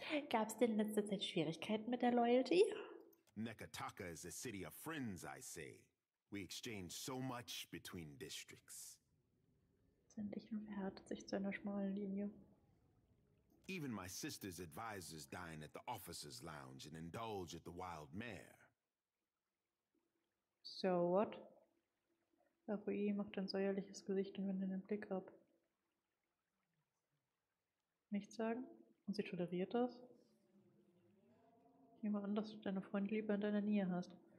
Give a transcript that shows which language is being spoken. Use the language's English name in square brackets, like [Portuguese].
[German] Gab es denn in letzter Zeit Schwierigkeiten mit der Loyalty? [English] Neketaka is a city of friends, I say. We exchange so much between districts. [German] Sein Lächeln verhärtet sich zu einer schmalen Linie. [English] Even my sister's advisors dine at the officer's lounge and indulge at the wild mare. So what? [German] Aruihi macht ein säuerliches Gesicht und wendet den Blick ab. Nichts sagen? Und sie toleriert das? Ich nehme an, dass du deine Freundin lieber in deiner Nähe hast.